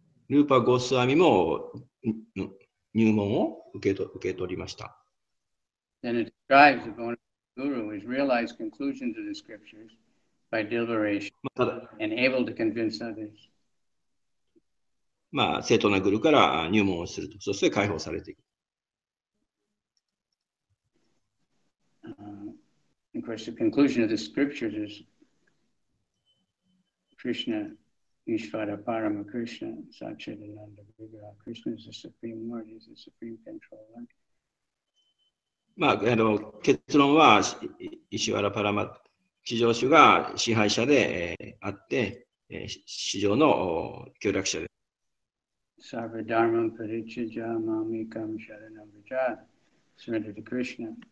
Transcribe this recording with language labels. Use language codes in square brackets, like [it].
[ja] Rupa Goswami も入門を受け取りました。 [en] Then it describes the bona fide guru who has realized conclusions of the scriptures. By deliberation and able to convince others. [ja] まあ、正当なグルから入門をすると、そして解放されていく。 [en] of course, the conclusion of the scriptures is Krishna, [sa] Ishvara Parama Krishna, Satchitananda Vigraha. [en] Krishna is the Supreme Lord, he's the Supreme Controller. [ja] まあ、結論は、石原パラマ、地上主が支配者で、あって、市場の協力者です。 [sa] サーヴァダーマン・パリチャ・ジャー・マーミカム・シャラナ・ブジャー、スメルト・クリシナ。